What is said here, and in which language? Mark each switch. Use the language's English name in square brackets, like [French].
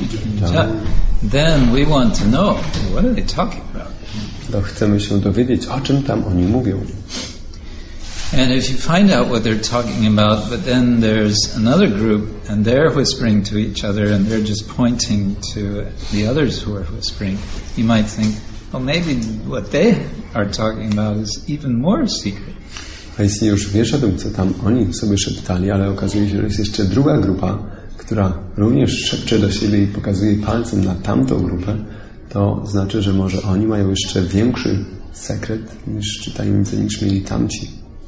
[English] Then we want to know what are they talking about. [Polish] To chcemy się dowiedzieć, o czym tam oni mówią. [English] And if you find out what they're talking about, but then there's another group and they're whispering to each other and they're just pointing to the others who are whispering, you might think, well, maybe what they are talking about is even more secret. [Polish] A jeśli już wiesz o tym, co tam oni sobie szeptali, ale okazuje się, że jest jeszcze druga grupa, która również szepcze do siebie i pokazuje palcem na tamtą grupę, to znaczy, że może oni mają jeszcze większy sekret niż czytajnicy, niż mieli tamci.